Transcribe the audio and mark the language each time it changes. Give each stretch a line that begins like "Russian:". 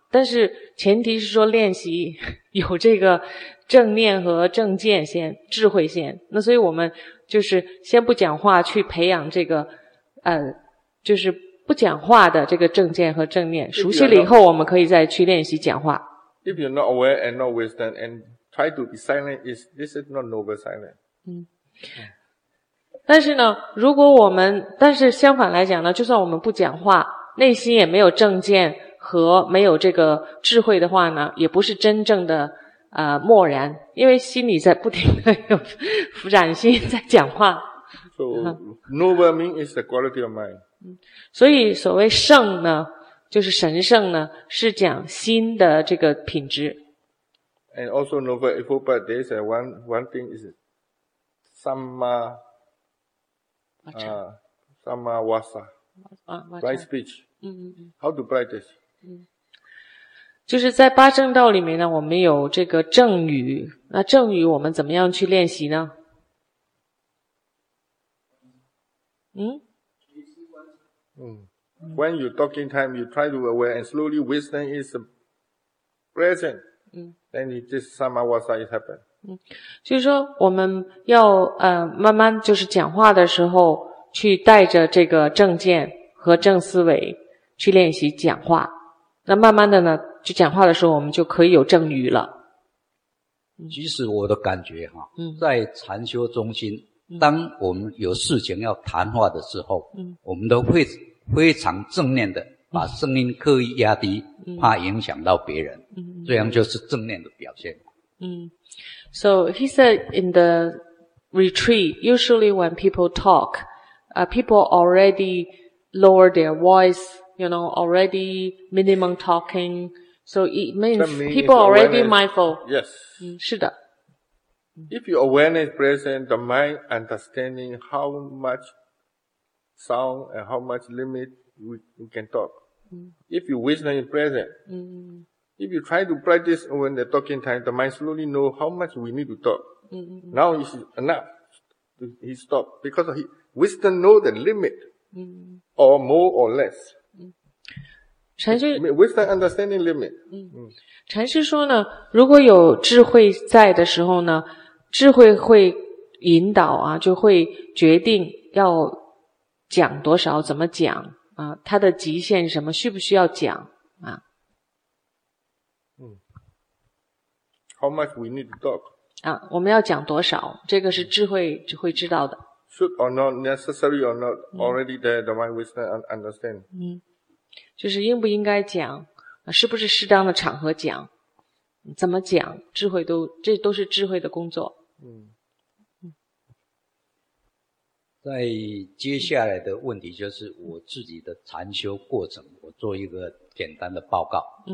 Chinese: 但是前提是说练习有这个正念和正见先，智慧先。那所以我们就是先不讲话，去培养这个就是不讲话的这个正见和正念。熟悉了以后，我们可以再去练习讲话。
English: If you're not aware and not wisdom and try to be silent, is this is not noble silent?
Chinese: 但是呢如果我们但是相反来讲呢就算我们不讲话内心也没有正见和没有这个智慧的话呢也不是真正的默然因为心里在不停的有浮展心在讲话
English: So noble mean is the quality of mind
Chinese: 所以所谓圣呢就是神圣呢是讲心的这个品质
English: And also noble if you but there's one thing is Sama wasa, right speech. How to practice?
Chinese: 就是在八正道里面呢，我们有这个正语。那正语我们怎么样去练习呢？
English: When you talking time, you try to aware and slowly wisdom is present. Then this sama wasa is happen.
Chinese: 就是说我们要慢慢就是讲话的时候去带着这个正见和正思维去练习讲话。那慢慢的呢，就讲话的时候我们就可以有正语了。其实我的感觉哈，在禅修中心，当我们有事情要谈话的时候，我们都会非常正念的把声音刻意压低，怕影响到别人，这样就是正念的表现。
English: So he said in the retreat, usually when people talk, people already lower their voice, you know, already minimum talking. So it means people already mindful. Yes.
Chinese: 是的。
English: If your awareness present, the mind understanding how much sound and how much limit we can talk. If your wisdom is present, if you try to practice when the talking time, the mind slowly know how much we need to talk. Now it's enough. He stopped because wisdom know the limit, or more or less.
Chinese: 禅师
English: wisdom understanding limit.
Chinese: 禅师说呢，如果有智慧在的时候呢，智慧会引导啊，就会决定要讲多少，怎么讲啊，它的极限什么，需不需要讲啊？
English: How much we need to talk?
Chinese: 啊，我们要讲多少？这个是智慧就会知道的。
English: Should or not necessary or not already there? The mind wisdom understand.
Chinese: 就是应不应该讲，是不是适当的场合讲，怎么讲，智慧都这都是智慧的工作。在接下来的问题就是我自己的禅修过程，我做一个简单的报告。